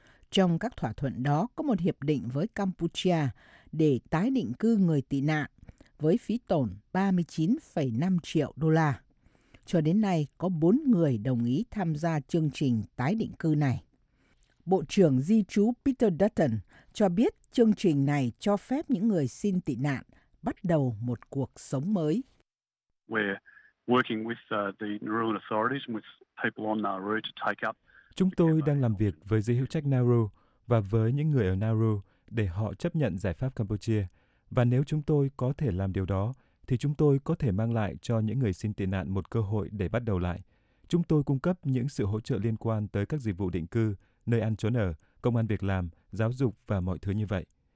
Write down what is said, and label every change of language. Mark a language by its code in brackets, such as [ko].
[vi] Trong các thỏa thuận đó có một hiệp định với Campuchia để tái định cư người tị nạn với phí tổn 39,5 triệu đô la. Cho đến nay có 4 người đồng ý tham gia chương trình tái định cư này. Bộ trưởng Di trú Peter Dutton cho biết chương trình này cho phép những người xin tị nạn bắt đầu một cuộc sống mới. [en] We're working with the Nauruan authorities with people on Nauru to take up. [vi] Chúng tôi đang làm việc với giới hữu trách Nauru và với những người ở Nauru để họ chấp nhận giải pháp Campuchia. Và nếu chúng tôi có thể làm điều đó, thì chúng tôi có thể mang lại cho những người xin tị nạn một cơ hội để bắt đầu lại. Chúng tôi cung cấp những sự hỗ trợ liên quan tới các dịch vụ định cư, nơi ăn trốn ở, công ăn việc làm, giáo dục và mọi thứ như vậy.